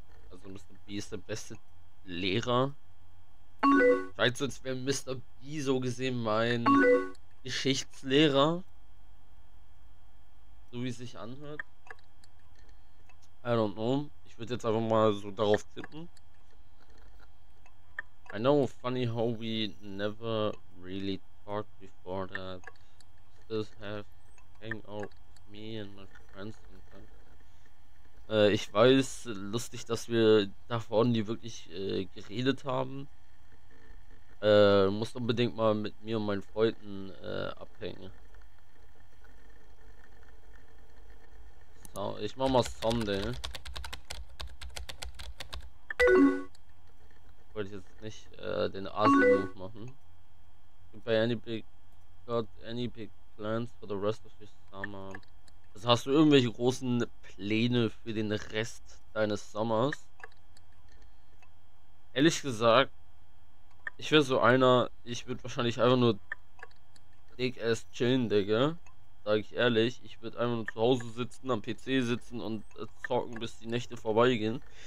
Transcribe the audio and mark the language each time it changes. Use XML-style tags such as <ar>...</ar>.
<de>Also Mr. B ist der beste Lehrer. Vielleicht sonst wäre Mr. B so gesehen mein Geschichtslehrer. So wie es sich anhört.</de> <en>I don't know.</en> <de>Ich würde jetzt einfach mal so darauf tippen.</de> <en>I know, funny how we never really talked before that. Still have hang out with me and my friends sometimes.</en> <de>Ich weiß, lustig, dass wir davor nie wirklich geredet haben. Musst unbedingt mal mit mir und meinen Freunden abhängen. So, ich mach mal Sunday. Wollte jetzt nicht den Asi-Move machen.</de> <en>Got any big plans for the rest of your summer?</en> <de>Also hast du irgendwelche großen Pläne für den Rest deines Sommers? Ehrlich gesagt, ich wäre so einer, ich würde wahrscheinlich einfach nur</de> <en>dick ass</en> <de>chillen, Digga. Sag ich ehrlich, ich würde einfach nur zu Hause sitzen, am PC sitzen und zocken, bis die Nächte vorbeigehen.</de>